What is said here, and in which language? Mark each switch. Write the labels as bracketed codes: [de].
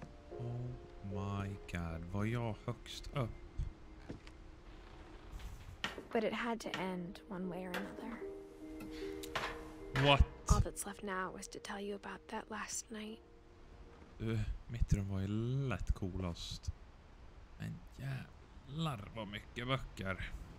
[en] Oh my god, [sv] var jag högst upp? [en] But it had to end one way or another. What? All that's left now is to tell you about that last night. [sv] Mitt rum var ju lätt coolast. Men jävlar vad mycket böcker.